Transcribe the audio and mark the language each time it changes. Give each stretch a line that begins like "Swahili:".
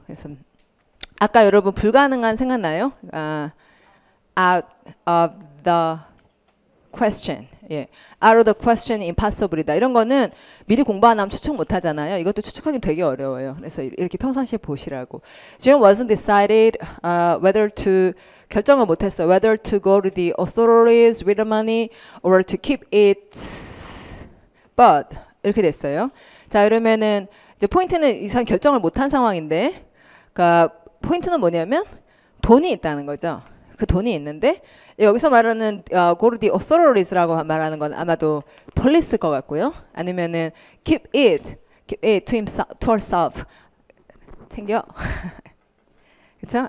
Korean: 그래서 아까 여러분 불가능한 생각나요?
English: out of the question. 예. Out of the question, impossible이다.
Korean: 이런 거는 미리 공부 안 하면 추측 못 하잖아요. 이것도 추측하기 되게 어려워요. 그래서 이렇게 평상시에 보시라고.
English: Jane wasn't decided whether to
Korean: 결정을 못 했어.
English: Whether to go to the authorities with the money or to keep it.
Korean: But 이렇게 됐어요. 자, 그러면은 이제 포인트는 이 사람 결정을 못한 상황인데, 그 포인트는 뭐냐면 돈이 있다는 거죠. 그 돈이 있는데 여기서 말하는
English: go to the authorities
Korean: 라고 말하는 건 아마도 police일 것 같고요. 아니면은
English: keep it to himself, to herself
Korean: 챙겨 그렇죠?